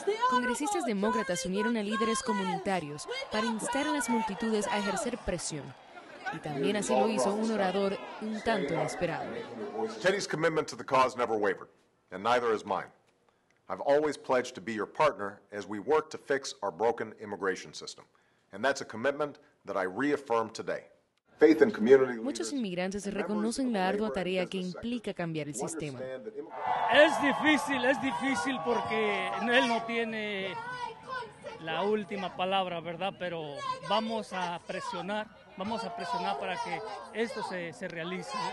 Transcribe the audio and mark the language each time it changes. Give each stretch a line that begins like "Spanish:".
Spanish: Congresistas demócratas se unieron a líderes comunitarios para instar a las multitudes a ejercer presión. Y también así lo hizo un orador un tanto inesperado.
English: Teddy's commitment to the cause never wavered, and neither has mine. I've always pledged to be your partner as we work to fix our broken immigration system. And that's a commitment that I reaffirm today. Faith in community.
Spanish: Muchos inmigrantes reconocen la ardua tarea que implica cambiar el sistema. Es difícil porque él no tiene la última palabra, ¿verdad? Pero vamos a presionar para que esto se realice.